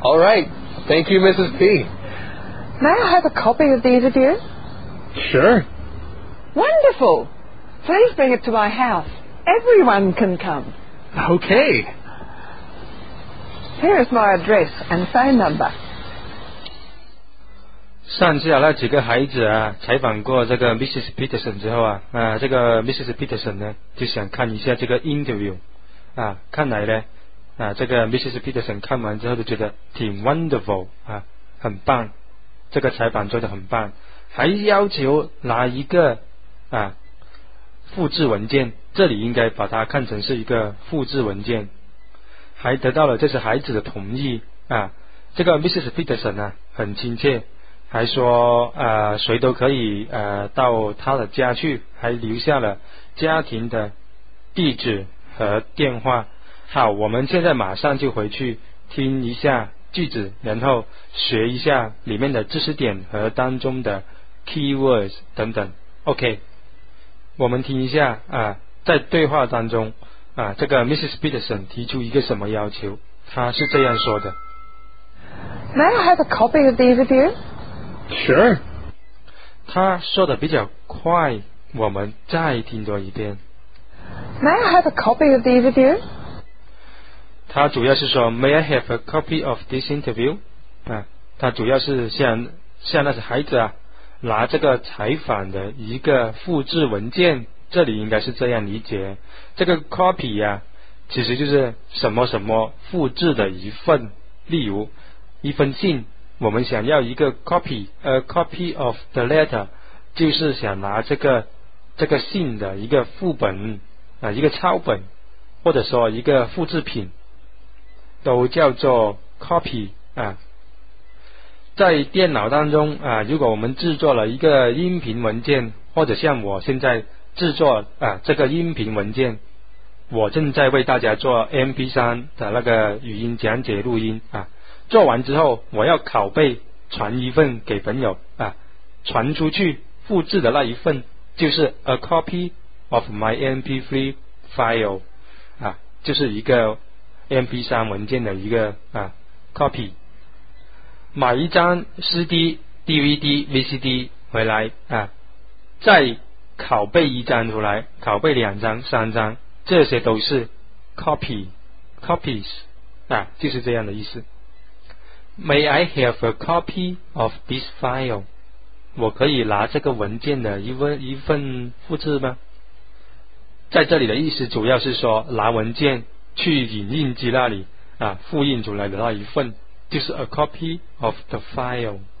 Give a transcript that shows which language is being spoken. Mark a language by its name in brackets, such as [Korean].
[English] All right. Thank you, Mrs. P. May I have a copy of the interview? Sure. Wonderful. Please bring it to my house. Everyone can come. Okay. Here is my address and phone number. [Chinese] 上次啊，那几个孩子啊，采访过这个 Mrs. Peterson 之后啊，啊，这个 Mrs. Peterson 呢，就想看一下这个 interview， 啊，看来呢，啊，这个 Mrs. Peterson 看完之后就觉得挺 wonderful 啊，很棒，这个采访做得很棒，还要求拿一个啊复制文件，这里应该把它看成是一个复制文件，还得到了这些孩子的同意啊，这个 Mrs. Peterson 啊很亲切。还说谁都可以到他的家去，还留下了家庭的地址和电话。好，我们现在马上就回去听一下句子，然后学一下里面的知识点和当中的 keywords 等等。 OK， 我们听一下在对话当中这个 Mrs. Peterson 提出一个什么要求，他是这样说的。 [English] May I have a copy of the interview? Sure. [Chinese] 他说的比较快，我们再听多一遍。 [English] May I have a copy of the interview? [Chinese] 他主要是说 [English] May I have a copy of this interview? [Chinese] 他主要是向那些孩子啊拿这个采访的一个复制文件，这里应该是这样理解。这个 copy 啊，其实就是什么什么复制的一份，例如一封信。我们想要一个 copy， [English] a copy of the letter， [Chinese] 就是想拿这个信的一个副本一个抄本，或者说一个复制品，都叫做 copy 在电脑当中如果我们制作了一个音频文件，或者像我现在制作这个音频文件，我正在为大家做 MP3 的那个语音讲解录音做完之后我要拷贝传一份给朋友传出去复制的那一份就是 [English] a copy of my MP3 file [Chinese] 啊，就是一个 MP3 文件的一个啊 copy。买一张 CD、DVD、VCD 回来啊，再拷贝一张出来，拷贝两张、三张，这些都是 copy copies 啊，就是这样的意思。 [English] May I have a copy of this file? [Chinese] 我可以拿这个文件的一份复制吗？在这里的意思主要是说拿文件去影印机那里啊，复印出来的那一份，就是 [English] a copy of the file。